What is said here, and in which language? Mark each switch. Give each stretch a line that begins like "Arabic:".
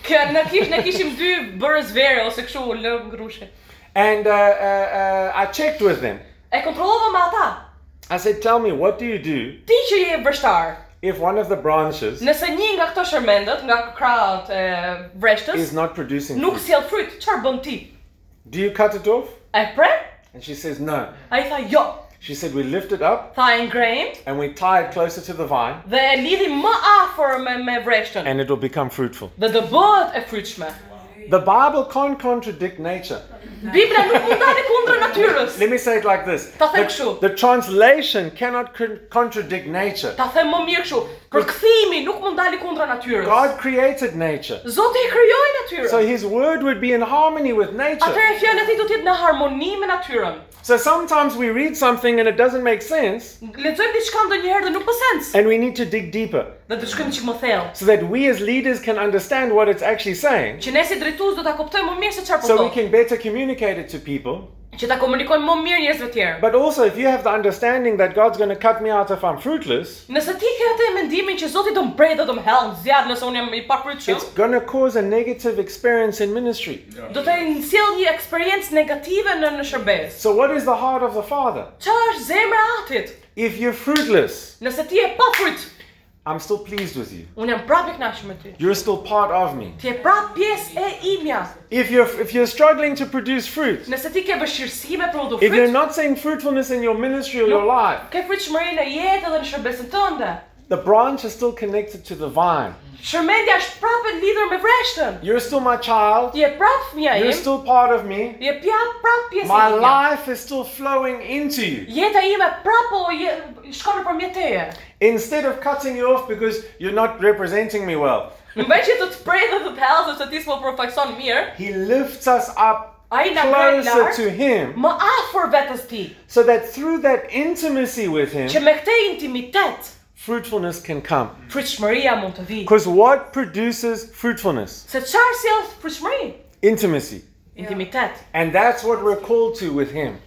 Albanian: Ne kishim dy bërës vere ose kështu lëngruçi.
English: And I checked with them.
Albanian: E kontrollova me ata.
English: I said, "Tell me, what do you do?"
Albanian: Ti që je vështar.
English: If one of the branches,
Albanian: nëse një nga këto shërmendët, nga krahët e breshtës,
English: is not producing fruit.
Albanian: Nuk sjell fryt, çfarë bën ti?
English: Do you cut it off?
Albanian: E prem?
English: And she says no.
Albanian: Ai tha jo.
English: She said we lift it up.
Albanian: Tha e ngrejmë.
English: And we tie it closer to the vine.
Albanian: Dhe e lidhim më afër me breshtën.
English: And it will become fruitful.
Albanian: Dhe do bëhet e fruitshme.
English: The Bible can't contradict nature.
Albanian: Bibla nuk mund të kundër natyrës.
English: Let me say it like this.
Albanian: Ta them kështu.
English: The translation cannot contradict nature.
Albanian: Ta them më mirë kështu. Përkthimi nuk mund dalë kundër natyrës.
English: God created nature.
Albanian: Zoti e krijoi natyrën.
English: So his word would be in harmony with nature.
Albanian: Atëherë fjala e tij do të jetë në harmoni me natyrën.
English: So sometimes we read something and it doesn't make sense.
Albanian: Lexojmë diçka ndonjëherë dhe nuk po sens.
English: And we need to dig deeper.
Albanian: Ne duhet të shkojmë çik më thellë.
English: So that we as leaders can understand what it's actually saying.
Albanian: Që ne si drejtues do ta kuptojmë më mirë se çfarë po thotë.
English: So we can better communicate it to people.
Albanian: Që ta komunikojmë më mirë njerëzve të tjerë.
English: But also if you have the understanding that God's going to cut me out if I'm fruitless.
Albanian: Nëse ti ke atë mendimin që Zoti do mbrej dhe do më hell zjat nëse unë jam I papritshëm.
English: It's going to cause a negative experience in ministry.
Albanian: Do të sjell një eksperiencë negative në shërbes.
English: So what is the heart of the Father?
Albanian: Çfarë zemra atit?
English: If you're fruitless.
Albanian: Nëse ti je papritshëm.
English: I'm still pleased with you.
Albanian: Unë jam prapë kënaqur me ty.
English: You're still part of me.
Albanian: Ti je prapë pjesë e imja.
English: If you're struggling to produce fruit.
Albanian: Nëse ti ke vështirësi me prodhu frut.
English: If you're not seeing fruitfulness in your ministry or your life.
Albanian: Ke frytshmëri në jetë dhe në shërbesën tënde.
English: The branch is still connected to the vine.
Albanian: Shërmendja është prapë lidhur me vreshtën.
English: You're still my child.
Albanian: Ti je prapë fëmija ime.
English: You're still part of me.
Albanian: Ti je prapë pjesë e imja.
English: My life is still flowing into you.
Albanian: Jeta ime prapë shkon nëpërmjet teje.
English: Instead of cutting you off because you're not representing me well.
Albanian: Mbajti të prit the pals ose ti s'po përfaqëson mirë.
English: He lifts us up closer to him.
Albanian: Më afër vetes tij.
English: So that through that intimacy with him.
Albanian: Që me këtë intimitet
English: fruitfulness can come.
Albanian: Frutshmëria mund të vijë.
English: Because what produces fruitfulness?
Albanian: Se çfarë sjell frutshmëri?
English: Intimacy.
Albanian: Intimitet.
English: And that's what we're called to with him.